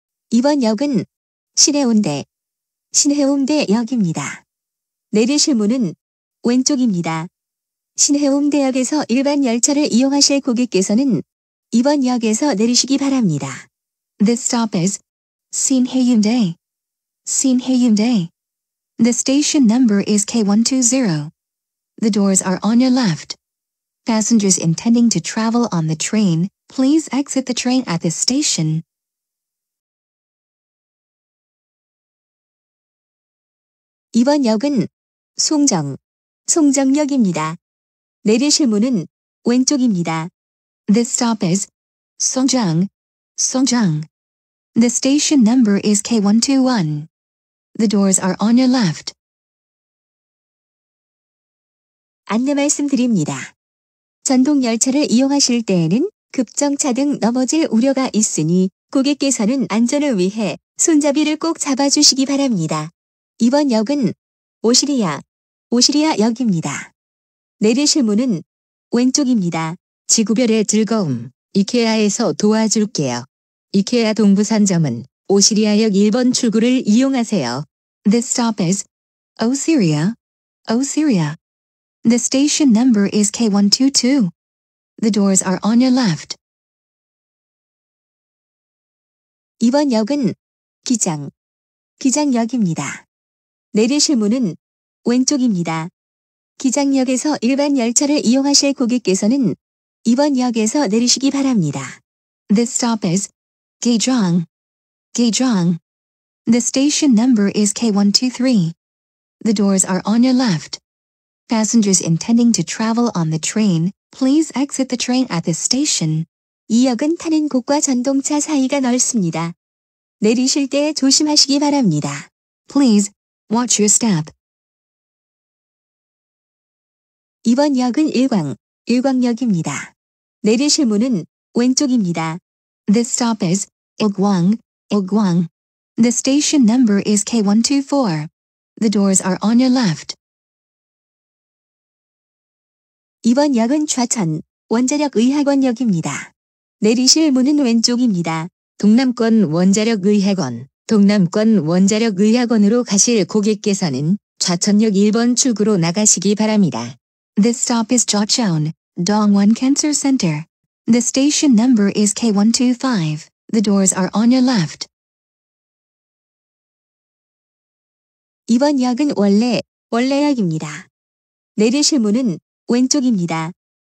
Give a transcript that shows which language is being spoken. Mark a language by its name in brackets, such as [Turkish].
[Korean] 이번 역은 신해운대, 신해운대역입니다. 내리실 문은 왼쪽입니다. 신해운대역에서 일반 열차를 이용하실 고객께서는 이번 역에서 내리시기 바랍니다. [English] This stop is Sinheyumdae. Sinheyumdae. The station number is K120. The doors are on your left. Passengers intending to travel on the train, please exit the train at this station. [Korean] 이번 역은 송정, 송정역입니다. 내리실 문은 왼쪽입니다. [English] This stop is Songjang, Songjang. The station number is K121. The doors are on your left. [Korean] 안내 말씀드립니다. 전동 열차를 이용하실 때에는 급정차 등 넘어질 우려가 있으니 고객께서는 안전을 위해 손잡이를 꼭 잡아주시기 바랍니다. 이번 역은 오시리아, 오시리아역입니다. 내리실 문은 왼쪽입니다. 지구별의 즐거움, 이케아에서 도와줄게요. 이케아 동부산점은 오시리아역 1번 출구를 이용하세요. [English] This stop is Osiria, Osiria. The station number is K122. The doors are on your left. [Korean] 이번 역은 기장, 기장역입니다. 내리실 문은 왼쪽입니다. 기장역에서 일반 열차를 이용하실 고객께서는 이번 역에서 내리시기 바랍니다. [English] This stop is Gaejang. Gaejang. The station number is K123. The doors are on your left. Passengers intending to travel on the train, please exit the train at this station. [Korean] 이 역은 타는 곳과 전동차 사이가 넓습니다. 내리실 때 조심하시기 바랍니다. [English] Please watch your step. [Korean] 이번 역은 일광, 일광역입니다. 내리실 문은 왼쪽입니다. [English] This stop is Ilgwang, Ilgwang. The station number is K124. The doors are on your left. [Korean] 이번 역은 좌천, 원자력 의학원역입니다. 내리실 문은 왼쪽입니다. 동남권 원자력 의학원, 동남권 원자력 의학원으로 가실 고객께서는 좌천역 1번 출구로 나가시기 바랍니다. [English] This stop is Jocheon, Dongwon Cancer Center. The station number is K125. The doors are on your left. [Korean] 이번 역은 원래역입니다. 내리실 문은 왼쪽입니다.